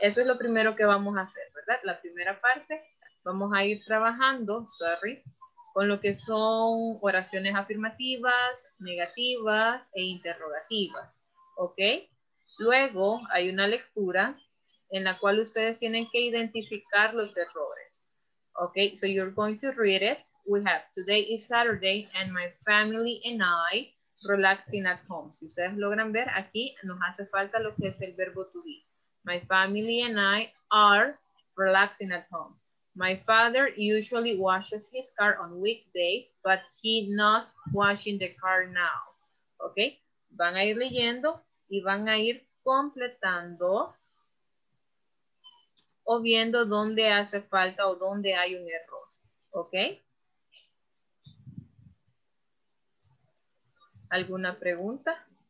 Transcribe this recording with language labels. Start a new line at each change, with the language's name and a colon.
Spanish: Eso es lo primero que vamos a hacer, ¿verdad? La primera parte, vamos a ir trabajando, sorry, con lo que son oraciones afirmativas, negativas e interrogativas. ¿Ok? Luego hay una lectura en la cual ustedes tienen que identificar los errores.
English: Okay, so you're going to read it. We have, today is Saturday and my family and I relaxing at home.
Spanish: Si ustedes logran ver aquí, nos hace falta lo que es el verbo to be.
English: My family and I are relaxing at home. My father usually washes his car on weekdays, but he's not washing the car now.
Spanish: Okay, van a ir leyendo y van a ir completando o viendo dónde hace falta o dónde hay un error, ¿ok? ¿Alguna pregunta?